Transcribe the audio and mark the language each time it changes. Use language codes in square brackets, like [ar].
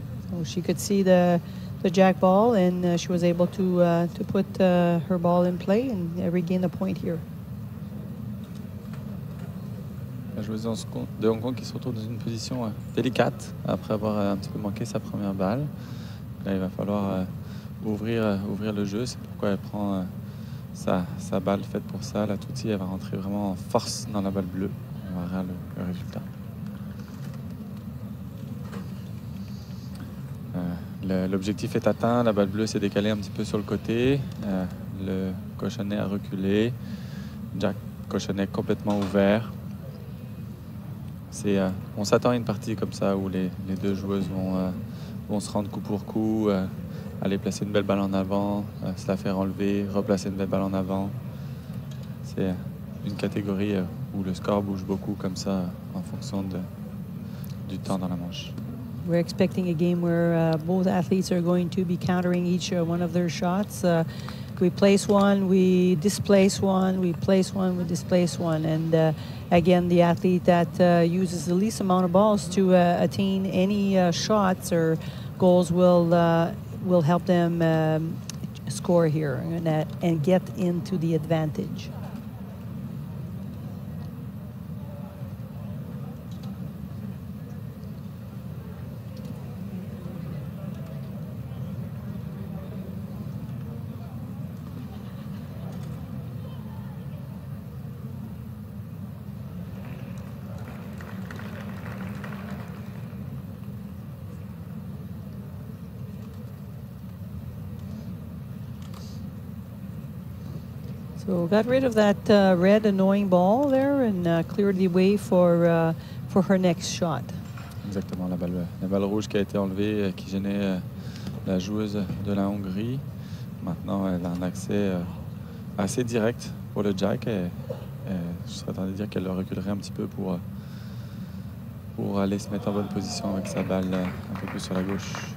[en] So she could see the jack ball and she was able to put her ball in play and regain the point here. [fr] La joueuse de Hong Kong qui se retrouve dans une position délicate après avoir un petit peu manqué sa première balle. Là, il va falloir ouvrir le jeu. C'est pourquoi elle prend sa balle faite pour ça. La Tutsi, elle va rentrer vraiment en force dans la balle bleue. On verra le résultat. L'objectif est atteint. La balle bleue s'est décalée un petit peu sur le côté. Le cochonnet a reculé. Jack cochonnet complètement ouvert. On s'attend à une partie comme ça où les deux joueuses vont se rendre coup pour coup, aller placer une belle balle en avant, se la faire enlever, replacer une belle balle en avant. C'est une catégorie où le score bouge beaucoup comme ça en fonction du temps dans la manche. [en] We're expecting a game where both athletes are going to be countering each one of their shots. We place one, we displace one, we place one, we displace one. And again, the athlete that uses the least amount of balls to attain any shots or goals will help them score here and get into the advantage. So got rid of that red annoying ball there and cleared the way for her next shot. [fr] Exactement, la balle rouge qui a été enlevée, qui gênait la joueuse de la Hongrie. Maintenant, elle a un accès assez direct pour le jack. Et je serais tenté de dire qu'elle le reculerait un petit peu pour aller se mettre en bonne position avec sa balle un peu plus sur la gauche.